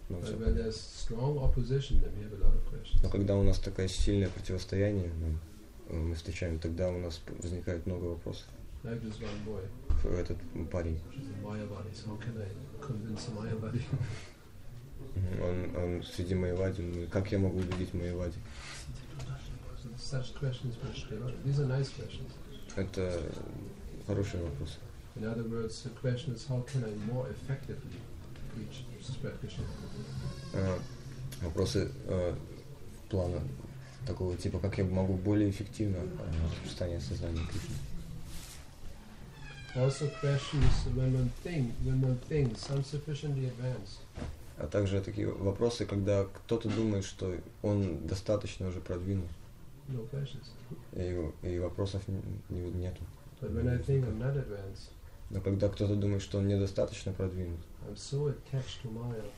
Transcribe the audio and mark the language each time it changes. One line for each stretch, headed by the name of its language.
English: But when there's strong opposition, then we have a lot of questions.
Russian: Но когда у нас такое сильное противостояние, мы встречаем, тогда у нас возникает много вопросов.
English: Like this one boy.
Russian: Этот парень.
English: Mayavadi. How can I convince Mayavadi?
Russian: Он среди Майявади. Как я могу убедить Майявади?
English: Such questions, these are nice questions.
Russian: Это хорошие вопросы.
English: In other words, the question is, how can I more effectively reach spread Krishna consciousness?
Russian: Вопросы плана такого типа, как я могу более эффективно распространять сознание Кришны.
English: Also, questions when one thinks I'm sufficiently advanced.
Russian: А также такие вопросы, когда кто-то думает, что он достаточно уже продвинут.
English: No questions.
Russian: И вопросов нету.
English: But when I think I'm not advanced.
Russian: Но когда кто-то думает, что он недостаточно продвинут,
English: I'm so attached to Maya.